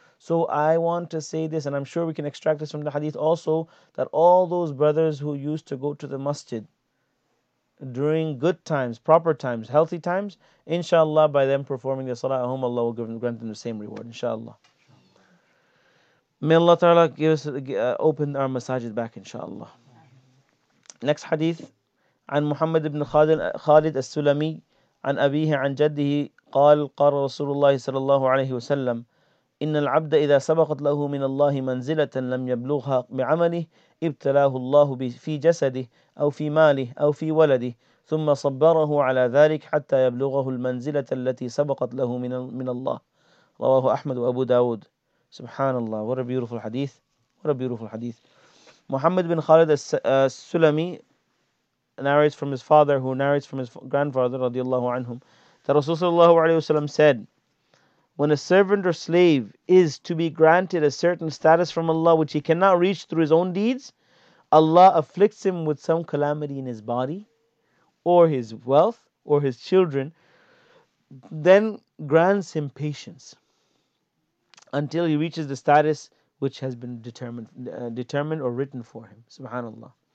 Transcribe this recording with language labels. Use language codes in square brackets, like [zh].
[en] So I want to say this, and I'm sure we can extract this from the hadith also, that all those brothers who used to go to the masjid during good times, proper times, healthy times, inshallah, by them performing the salah at home, Allah will grant them the same reward, inshallah. May Allah Ta'ala give us, open our masajid back, inshallah. Next hadith, [ar] عن محمد بن خالد السلمي عن أبيه عن جده قال قال رسول الله صلى الله عليه وسلم إن العبد إذا سبقت له من الله منزلة لم يبلغها بعمله ابتلاه الله في جسده أو في ماله أو في ولده ثم صبره على ذلك حتى يبلغه المنزلة التي سبقت له من الله رواه أحمد وأبو داود. سبحان الله. [en] What a beautiful hadith. What a beautiful hadith. Muhammad bin Khalid al-Sulami narrates from his father, who narrates from his grandfather, radiallahu anhum, that Rasulullah said, when a servant or slave is to be granted a certain status from Allah which he cannot reach through his own deeds, Allah afflicts him with some calamity in his body, or his wealth, or his children, then grants him patience until he reaches the status which has been determined or written for him. Subhanallah.